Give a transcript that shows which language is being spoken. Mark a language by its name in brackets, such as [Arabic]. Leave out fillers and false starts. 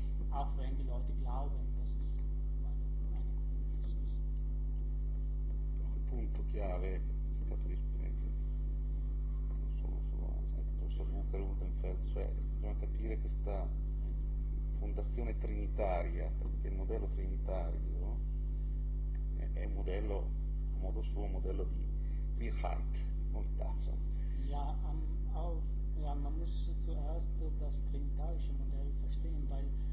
[German] Auch wenn die Leute glauben, dass es eine Communitas ist. [Italian] Il punto chiave, cercato di spiegare. Cioè bisogna capire questa fondazione trinitaria, perché il modello trinitario è un modello, a modo suo, un modello di Wirheit, di novità. [German] Ja, man muss zuerst das trinitarische Modell verstehen, weil